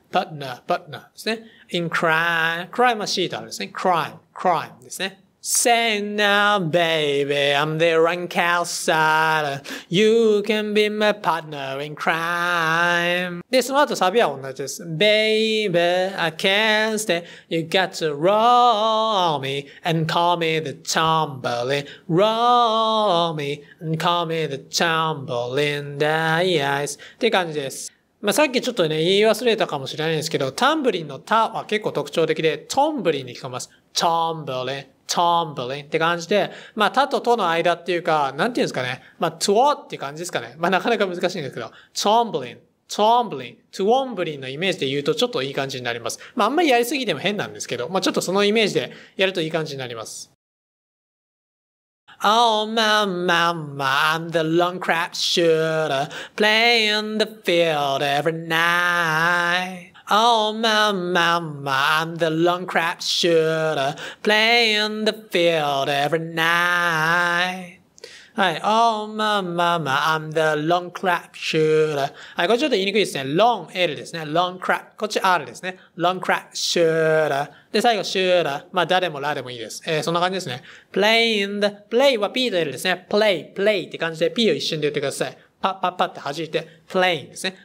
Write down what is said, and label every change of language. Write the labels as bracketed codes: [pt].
[en] partner, partner [ja] ですね。 [en] in crime, crime [ja] はシータですね。 [en] crime, crime [ja] ですね。 [en] say now, baby, I'm the rank outsider. You can be my partner in crime. [ja] で、その後サビは同じです。 [en] baby, I can't stay. You got to roll me and call me the tumbling. roll me and call me the tumbling dice. [ja] って感じです。まあ、さっきちょっとね、言い忘れたかもしれないんですけど、タンブリンのタは結構特徴的で、トンブリンに聞こえます。 [en] tumbling. Tumbling [ja] って感じで、まあ、他ととの間っていうか、なんていうんですかね。まあ、to っていう感じですかね。まあ、なかなか難しいんですけど、 [en] tumbling, tumbling, tumbling [ja] のイメージで言うとちょっといい感じになります。まあ、あんまりやりすぎても変なんですけど、まあ、ちょっとそのイメージでやるといい感じになります。 [en] Oh, my mama, I'm the long crap shooter, playing the field every night. Oh, my mama, I'm the long crap shooter, playing the field every night. はい。 Oh, my mama, I'm the long crap shooter. [ja] はい。これちょっと言いにくいですね。 [en] long L [ja] ですね。 [en] long crap. [ja] こっち R ですね。 [en] long crap shooter. [ja] で、最後 [en] shooter. [ja] まあ、誰もらでもいいです。そんな感じですね。 [en] playing the, [ja] play は P と L ですね。 play, play って感じで P を一瞬で言ってください。パッパッパって弾いて、playing ですね。